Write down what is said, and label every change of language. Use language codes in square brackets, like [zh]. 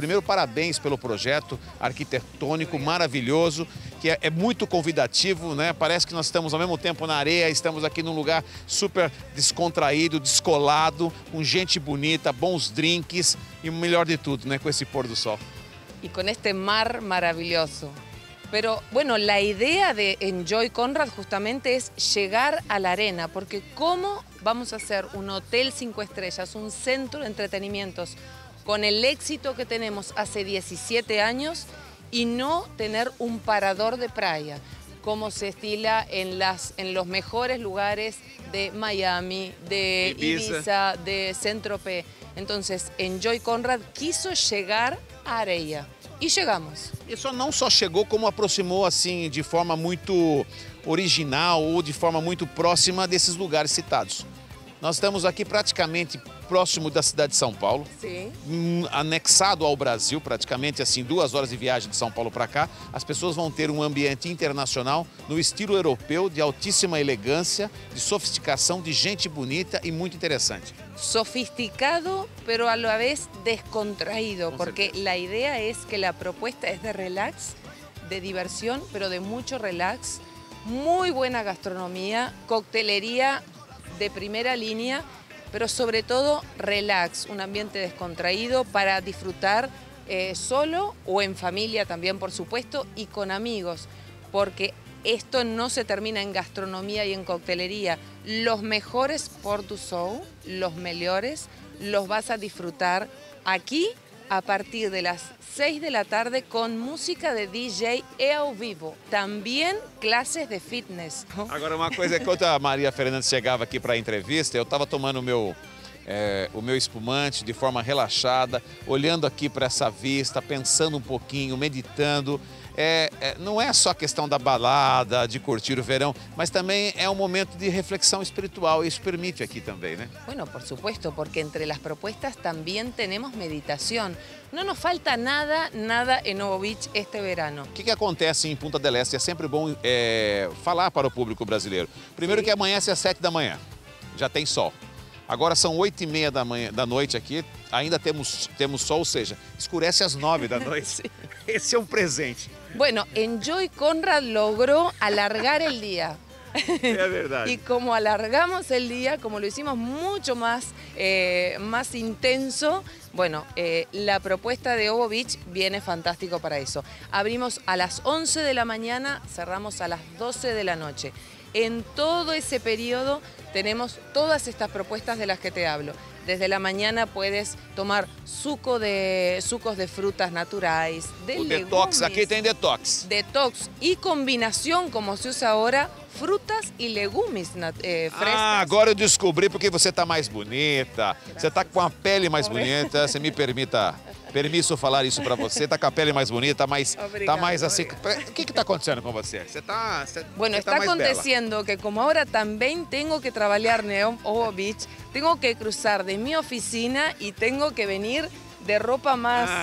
[pt] Primeiro, parabéns pelo projeto arquitetônico maravilhoso, que é muito convidativo, né? Parece que nós estamos ao mesmo tempo na areia, estamos aqui num lugar super descontraído, descolado, com gente bonita, bons drinks e o melhor de tudo, né? Com esse pôr do sol. E com este mar maravilhoso. [es] Pero bueno, la idea de Enjoy Conrad justamente es llegar a la arena, porque ¿cómo vamos a hacer un hotel 5 estrellas, un centro de entretenimientos, con el éxito que tenemos hace 17 años y no tener un parador de playa, como se estila en, los mejores lugares de Miami, de Ibiza, de Saint-Tropez? Entonces, Enjoy Conrad quiso llegar a Areia. [pt] E chegamos. E só não só chegou, como aproximou assim de forma muito original ou de forma muito próxima desses lugares citados. Nós estamos aqui praticamente próximo da cidade de São Paulo. Sim. Anexado ao Brasil, praticamente assim, 2 horas de viagem de São Paulo para cá. As pessoas vão ter um ambiente internacional no estilo europeu, de altíssima elegância, de sofisticação, de gente bonita e muito interessante. [es] Sofisticado, pero a la vez descontraído, porque la idea es que la propuesta es de relax, de diversión, pero de mucho relax, muy buena gastronomía, coctelería de primera línea, pero sobre todo relax, un ambiente descontraído para disfrutar solo o en familia también, por supuesto, y con amigos, porque esto no se termina en gastronomía y en coctelería. Los mejores pôr do sol, los mejores, los vas a disfrutar aquí a partir de las 6 de la tarde con música de DJ [pt] e ao vivo. [es] También clases de fitness. [pt] Agora, uma coisa, enquanto a Maria Fernandes chegava aqui para a entrevista, eu estava tomando o meu espumante de forma relaxada, olhando aqui para essa vista, pensando um pouquinho, meditando. Não é só questão da balada, de curtir o verão, mas também é um momento de reflexão espiritual, e isso permite aqui também, né? [es] Bueno, por supuesto, [pt] porque entre as propostas também temos meditação. Não nos falta nada, nada em Novo Beach [es] este verano. [pt] O que, que acontece em Punta del Este? É sempre bom falar para o público brasileiro. Primeiro, sim, que amanhece às 7 da manhã, já tem sol. Agora são 8h30 da noite aqui, ainda temos sol, ou seja, escurece às 9 da noite. Esse é um presente. Bueno, Enjoy Conrad logrou alargar o dia. É verdade. E como alargamos o dia, [es] como lo hicimos [pt] muito mais mais intenso, bueno, a proposta de Ovo Beach [es] viene fantástico [pt] para isso. [es] Abrimos a las 11 de la mañana, cerramos a las 12 de la noche. En todo ese periodo tenemos todas estas propuestas de las que te hablo. Desde la mañana puedes tomar sucos de frutas naturales, de legumes. Detox, aquí tiene detox. Detox y combinación, como se usa ahora, frutas y legumes frescos. [pt] Ah, agora eu descobri porque você está mais bonita. Gracias. Você está com a pele mais bonita, se me permita... Permisso falar isso para você, tá com a pele mais bonita, mas tá mais assim. Obrigada. O que tá acontecendo com você? Você tá, [es] bueno, [pt] você está acontecendo bela. Que como agora também tenho que trabalhar no Ovo Beach, tenho que cruzar de minha oficina e tenho que venir de roupa mais liviana.